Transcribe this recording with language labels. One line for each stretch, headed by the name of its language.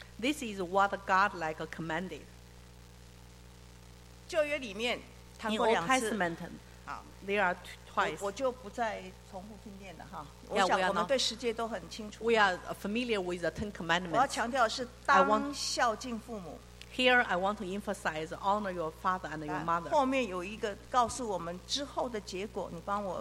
English: This is what God like commanded.
Chinese: 旧约里面谈过两次，好
English: ，there are twice，
Chinese: 我就不再重复训练了哈。我想我们对世界都很清楚。
English: We are familiar with the Ten Commandments。
Chinese: 我要强调的是，当孝敬父母。
English: Here I want to emphasize honor your father and your mother.
Chinese: 后面有一个告诉我们之后的结果, 你帮我,